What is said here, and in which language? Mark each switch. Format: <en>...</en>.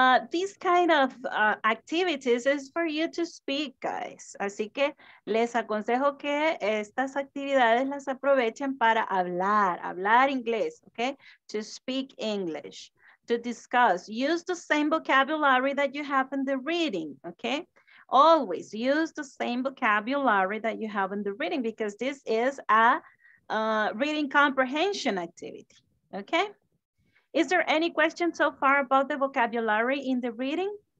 <en>These kind of activities is for you to speak, guys.</en> <es>Así que les aconsejo que estas actividades las aprovechen para hablar inglés, okay?</es> <en>To speak English, to discuss. Use the same vocabulary that you have in the reading, okay? Always use the same vocabulary that you have in the reading because this is a reading comprehension activity, okay? Is there any question so far about the vocabulary in the reading?</en>